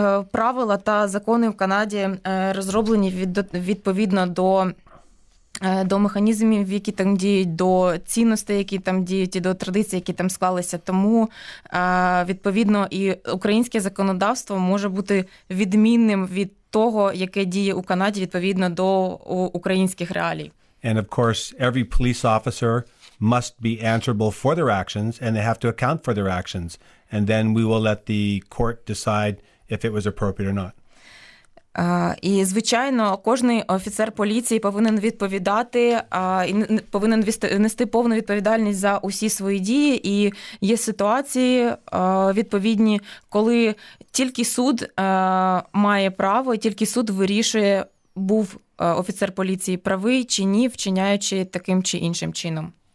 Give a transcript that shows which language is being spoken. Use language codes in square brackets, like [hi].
[uk] Правила та закони в Канаді розроблені відповідно до механізмів, які там діють, до цінностей, які там діють, і до традицій, які там склалися. Тому, відповідно, і українське законодавство може бути відмінним від того, яке діє у Канаді, відповідно до українських реалій. [en] And of course, every police officer must be answerable for their actions, and they have to account for their actions. And then we will let the court decide if it was appropriate or not. [uk] І, звичайно, кожен офіцер поліції повинен відповідати і повинен нести повну відповідальність за усі свої дії. І є ситуації відповідні, коли тільки суд має право, і тільки суд вирішує, був офіцер поліції правий чи ні, вчиняючи таким чи іншим чином.